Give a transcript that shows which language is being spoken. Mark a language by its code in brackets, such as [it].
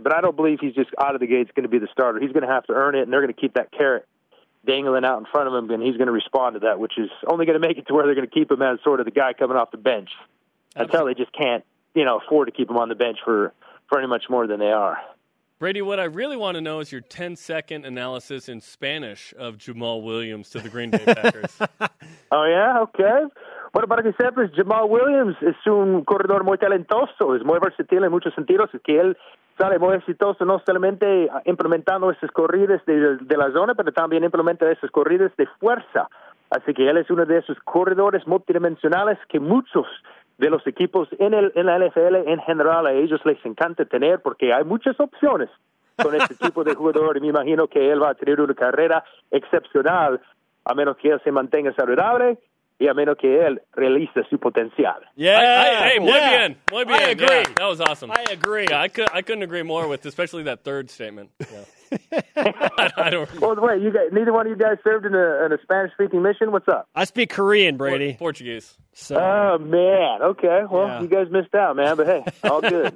[en] But I don't believe he's just out of the gates going to be the starter. He's going to have to earn it, and they're going to keep that carrot dangling out in front of him, and he's going to respond to that, which is only going to make it to where they're going to keep him as sort of the guy coming off the bench. Absolutely. Until they just can't, you know, afford to keep him on the bench for any much more than they are. Brady, what I really want to know is your 10-second analysis in Spanish of Jamal Williams to the Green Bay Packers. Oh, yeah? Okay. [es] Bueno, para que sepas, Jamal Williams es un corredor muy talentoso. Es muy versátil en muchos sentidos. Es que él sale muy exitoso, no solamente implementando esas corridas de la zona, pero también implementa esas corridas de fuerza. Así que él es uno de esos corredores multidimensionales que muchos de los equipos en la NFL en general, a ellos les encanta tener porque hay muchas opciones con este tipo de jugador. Y me imagino que él va a tener una carrera excepcional a menos que él se mantenga saludable y a menos que él realice su potencial. Bien. Muy bien. [en] I agree. Yeah, that was awesome. I agree. Yeah, I couldn't agree more with, especially that third statement. Yeah. Well, wait, neither one of you guys served in a Spanish-speaking mission? What's up? I speak Korean, Brady. Portuguese. So. Oh, man. Okay. Well, yeah. You guys missed out, man. But, hey, all good.